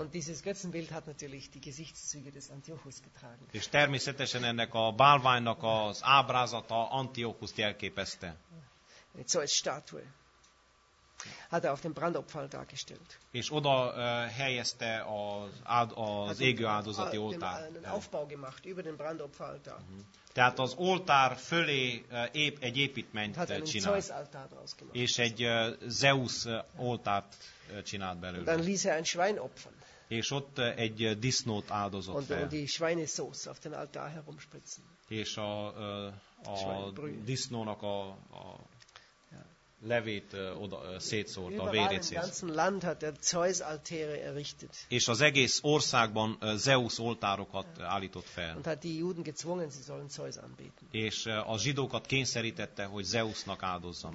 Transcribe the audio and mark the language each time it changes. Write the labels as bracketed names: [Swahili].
[German] Und dieses Götzenbild hat natürlich die Gesichtszüge des Antiochus getragen. [Hungarian] És természetesen ennek a bálványnak az ábrázata Antiochust jelképezte. Egy szóval statue. [German] Hat auf dem Brandopfer dargestellt. [Hungarian] És oda helyezte az égő áldozati oltár. [German] Aufbau gemacht über den Brandopfer. [Hungarian] Tehát az oltár fölé egy építményt csinált. És egy Zeus oltárt csinált belőle. [German] Dann ließ er ein Schwein opfern. [Hungarian] És ott egy disznót áldozott fel. [German] Und die Schweinesauce auf den Altar herumspritzen. [Hungarian] És a disznónak a levét oda szétszórta, a vérét szétszórta. És az egész országban Zeus oltárokat állított fel. [German] Und hat die Juden gezwungen, sie sollen Zeus anbeten. [Hungarian] És a zsidókat kényszerítette, hogy Zeusnak áldozzanak.